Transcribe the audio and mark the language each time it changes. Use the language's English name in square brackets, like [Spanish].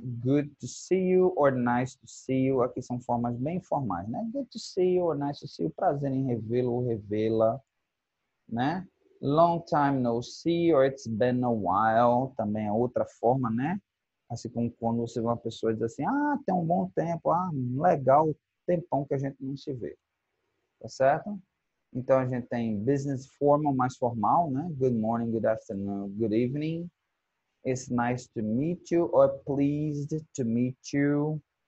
[English] Good to see you or nice to see you. [Portuguese] Aqui são formas bem formais, né? [English] Good to see you or nice to see you. [Portuguese] Prazer em revê-lo ou revê-la, né? [English] Long time no see or it's been a while. [Portuguese] Também é outra forma, né? Assim como quando você vê uma pessoa e diz assim, ah, tem um bom tempo, ah, legal, tempão que a gente não se vê. Tá certo? Então, a gente tem business formal, mais formal, né? [English] Good morning, good afternoon, good evening. It's nice to meet you or pleased to meet you.